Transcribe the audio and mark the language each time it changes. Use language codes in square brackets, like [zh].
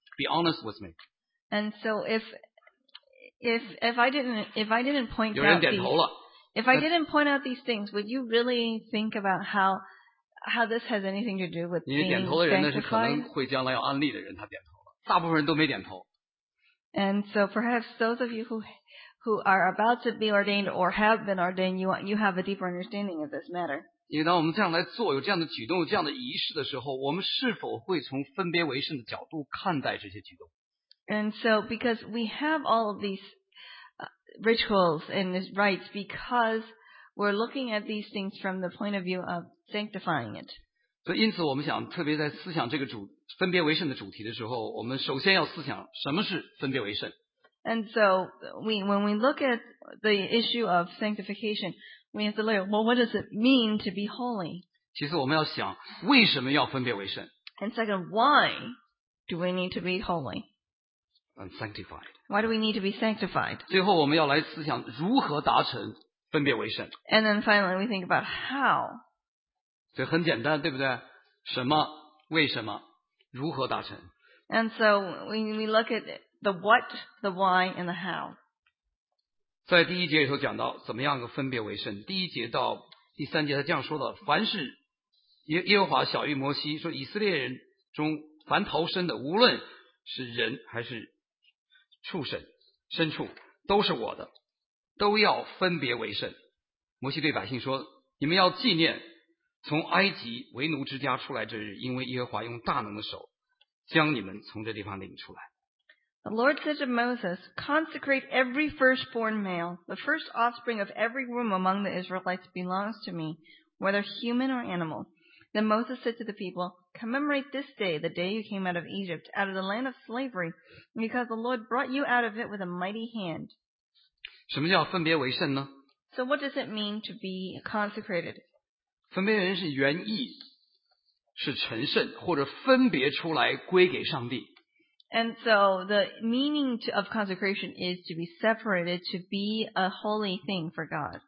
[en] Be honest with me. And so if I didn't point out these things, would you really think about how this has anything to do with being sanctified? [zh] 你点头的人呢，是可能会将来要安立的人，他点头了。大部分人都没点头。 [en] And so perhaps those of you who are about to be ordained or have been ordained, you have a deeper understanding of this matter. [zh] 因为当我们这样来做，有这样的举动，有这样的仪式的时候，我们是否会从分别为圣的角度看待这些举动？ [en] And so, because we have all of these rituals and rites, because we're looking at these things from the point of view of sanctifying it. [zh] So, 因此我们想，特别在思想这个主分别为圣的主题的时候，我们首先要思想什么是分别为圣。 [en] And so, when we look at the issue of sanctification, we have to learn, well, what does it mean to be holy? [zh] 其实我们要想，为什么要分别为圣？ [en] And second, why do we need to be holy? And sanctified. Why do we need to be sanctified? [zh] 最后我们要来思想如何达成分别为圣。 [en] And then finally, we think about how. [zh] 所以很简单，对不对？什么？为什么？如何达成 [en] ？And so we look at the what, the why, and the how. [zh] 在第一节里头讲到怎么样个分别为圣。第一节到第三节，他这样说的：凡是耶和华晓谕摩西说，以色列人中凡逃生的，无论是人还是畜生、牲畜，都是我的，都要分别为圣。摩西对百姓说：“你们要纪念从埃及为奴之家出来之日，因为耶和华用大能的手将你们从这地方领出来。” [en] The Lord said to Moses, "Consecrate every firstborn male. The first offspring of every womb among the Israelites belongs to me, whether human or animal." Then Moses said to the people. Commemorate this day, the day you came out of Egypt, out of the land of slavery, because the Lord brought you out of it with a mighty hand. [zh] 什么叫分别为圣呢？ [en] So what does it mean to be consecrated? [zh] 分别为圣是原意，是成圣，或者分别出来归给上帝。 [en] And so the meaning of consecration is to be separated, to be a holy thing for God.